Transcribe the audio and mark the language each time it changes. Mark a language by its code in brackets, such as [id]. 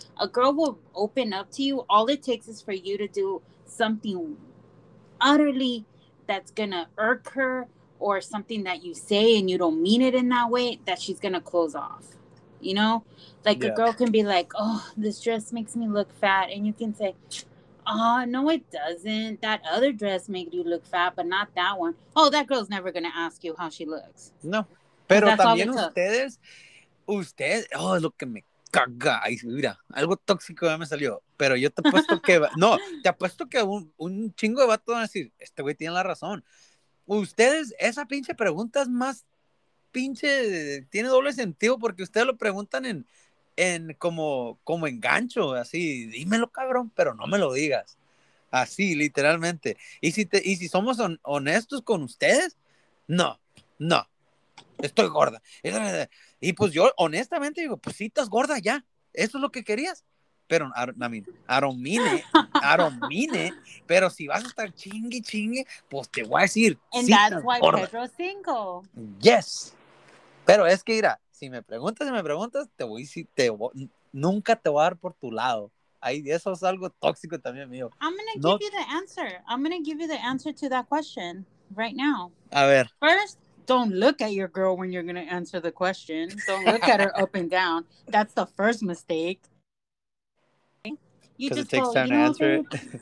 [en] A girl will open up to you. All it takes is for you to do something utterly that's going to irk her, or something that you say and you don't mean it in that way, that she's going to close off. You know, like a girl can be like, oh, this dress makes me look fat. And you can say, oh, no, it doesn't. That other dress made you look fat, but not that one. Oh, that girl's never going to ask you how she looks. No. [es] Pero también ustedes, oh, es lo que me caga. Ay, mira, algo tóxico ya me salió. Pero yo te apuesto que, te apuesto que un chingo de vato van a decir, este güey tiene la razón. Ustedes, esa pinche pregunta es más pinche, tiene doble sentido porque ustedes lo preguntan en como engancho, así, dímelo cabrón, pero no me lo digas. Así, literalmente. Y si somos honestos con ustedes, no. Estoy gorda. Y pues yo honestamente digo, pues sí, estás gorda ya. Eso es lo que querías. Pero, [en] I don't mean it. [es] Pero si vas a estar chingue, pues te voy a decir. [en] And sí, that's why gorda. Pedro's single. Yes. [es] Pero es que, mira, si me preguntas, te voy a decir, nunca te voy a dar por tu lado. Ahí, eso es algo tóxico también, amigo. [en] I'm going to give you the answer to that question right now. [es] A ver. [en] First, don't look at your girl when you're going to answer the question. Don't look at her up and down. That's the first mistake. Because it takes time to answer it.